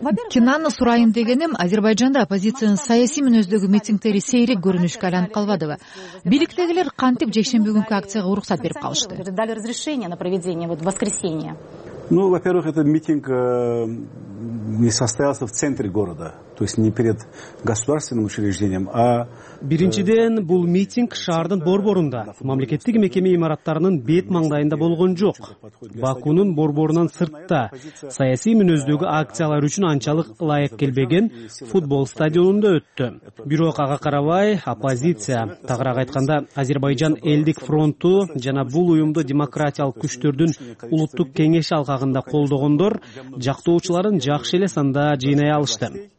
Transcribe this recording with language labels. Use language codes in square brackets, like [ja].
[ky] Кинаны сурайын дегеним, Азербайджанда оппозициянын саясий мүнөздөгү митингдери сейрек көрүнүшкө айланып калбадыбы? Бийликтегилер кантип жекшемби күнкү акцияга уруксат берип калышты? [ru] Дали разрешение на проведение вот воскресенье. Ну, во-первых, этот митинг не состоялся в центре города, то есть не перед государственным учреждением, а [ky] биринчиден бул митинг шаардын борборунда, мамлекеттик мекеме имараттарынын бет маңдайында болгон жок. Бакунун борборунан сыртта саясий мүнөздөгү акциялар үчүн анчалык ылайык келбеген футбол стадионунда өттү. Бирок ага карабай, оппозиция, тагыраак айтканда Азербайджан элдик фронту жана бул уюмду демократиялык күчтөрдүн улуттук кеңеш алкагында колдогондор жактоочуларын жакшы эле санда жыйнай алышты.